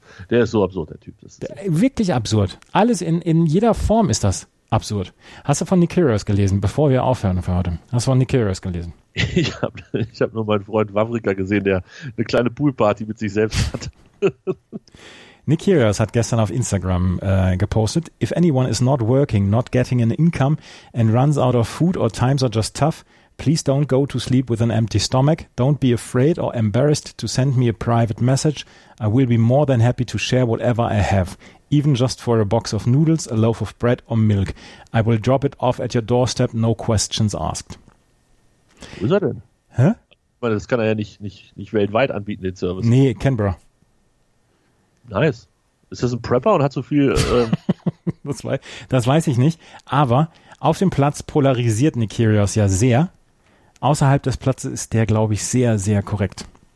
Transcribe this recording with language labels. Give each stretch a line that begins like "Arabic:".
German: Der ist so absurd, der Typ. Wirklich absurd. Alles in jeder Form ist das absurd. Hast du von Nick Kyrgios gelesen, bevor wir aufhören für heute? Hast du von Nick Kyrgios gelesen? Ich hab nur meinen Freund Wawrika gesehen, der eine kleine Poolparty mit sich selbst hat. Nick Kyrgios hat gestern auf Instagram gepostet,
English: if anyone is not working, not getting an income and runs out of food or times are just tough, please don't go to sleep with an empty stomach, don't be afraid or embarrassed to send me a private message, I will be more than happy to share whatever I have, even just for a box of noodles, a loaf of bread or milk, I will drop it off at your doorstep, no questions asked.
German: Wo ist er denn? Hä? Ich meine, das kann er ja nicht weltweit anbieten, den Service. Nee, Canberra. Nice. Ist das ein Prepper und hat so viel? das weiß ich nicht. Aber auf dem Platz polarisiert Nick Kyrgios ja sehr. Außerhalb des Platzes ist der, glaube ich, sehr, sehr korrekt.